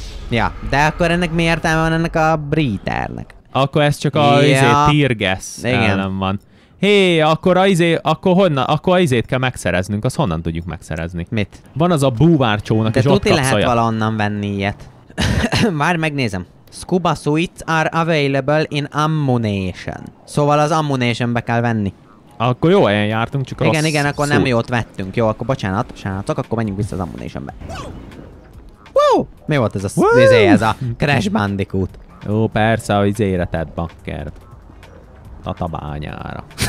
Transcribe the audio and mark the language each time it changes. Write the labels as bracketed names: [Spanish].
[Hungarian] Ja, de akkor ennek mi értelme van ennek a breathernek? Akkor ez csak a tirgesz ellen van. Hé, akkor a izét kell megszereznünk, azt honnan tudjuk megszerezni? Mit? Van az a búvárcsónak, és ott kapsz olyat. De tuti lehet valahonnan venni ilyet. Már megnézem. [English] Scuba suits are available in ammunition. [Hungarian] Szóval az ammunitionbe kell venni. Akkor jó helyen jártunk, csak igen, igen, akkor szúr. Nem jót vettünk. Jó, akkor bocsánat, bocsánat, akkor menjünk vissza az ammunitionbe. Wow! Mi volt ez a vizé, ez a Crash Bandicoot? Jó, persze, a vizére tett bakker. Tatabányára.